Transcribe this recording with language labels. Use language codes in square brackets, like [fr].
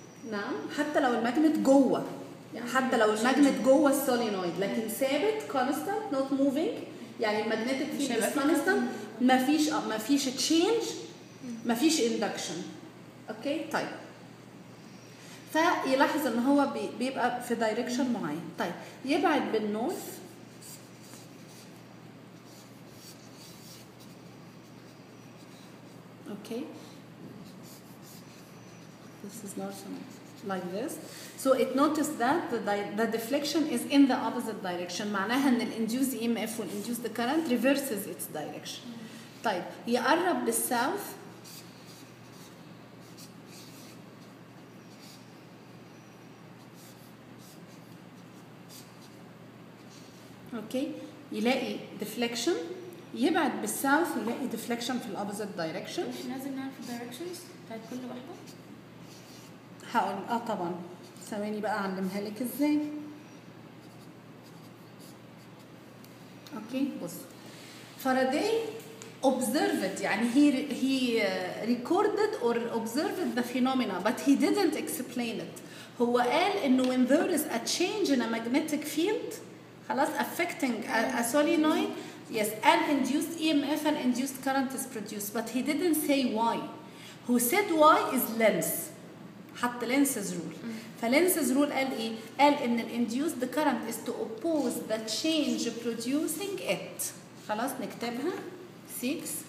[ar] نعم حتى لو الماجنت جوه حتى لو الماجنت جوه السولينويد لكن ثابت [en] constant not moving [ar] يعني الماجنتيك فيلد constant ما فيش تشينج ما فيش اندكشن اوكي طيب فيلاحظ ان هو بيبقى في دايركشن معين طيب يبعد بالنورث Okay. [en] This is north like this. So it noticed that the deflection is in the opposite direction. [ar] معناها ان [en] الانديوز E M F والانديوز the current reverses its direction. [ar] طيب يقرب بالساوث. [en] Okay. يلاقي deflection. [ar] يبعد بالساوث يلاقي ديفليكشن في الاوبوزيت دايركشن مش لازم نعرف الدايركشنز بتاعت كل واحده هقول طبعا ثواني بقى اعلمها لك [en] ازاي اوكي بص Faraday observed يعني he recorded or observed the phenomena but he didn't explain it هو قال انه when there is a change in a magnetic field خلاص affecting a solenoid Yes, an induced EMF and induced current is produced, but he didn't say why. Who said why is Lenz. حتى Lenz's rule. فLenz's rule قال إيه؟ قال إن the induced current is to oppose the change producing it. [ar] خلاص نكتبها. [en] 6.